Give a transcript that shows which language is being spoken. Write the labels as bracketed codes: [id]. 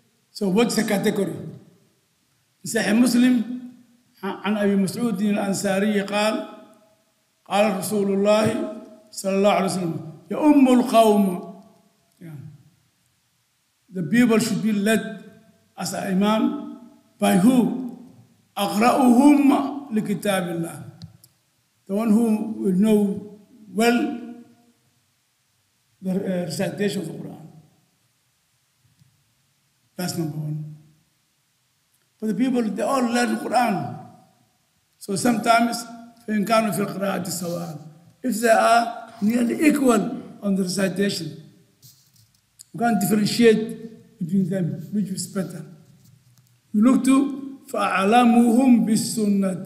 [en] So what's the category? In Sahih Muslim, [ar] عن أبي مسعود الأنصاري قال قال رسول الله صلى الله عليه وسلم يا أم القوم [en] the people should be led as an imam by who [ar] أقرأهم لكتاب الله [en] the one who will know well the recitation of the Quran. That's number one. But the people, they all learn the Quran. So sometimes, [ar] فإن كانوا في القراءة سواء. [en] If they are nearly equal on the recitation, we can differentiate between them, which is better. You look to [ar] فأعلمهم بالسنة.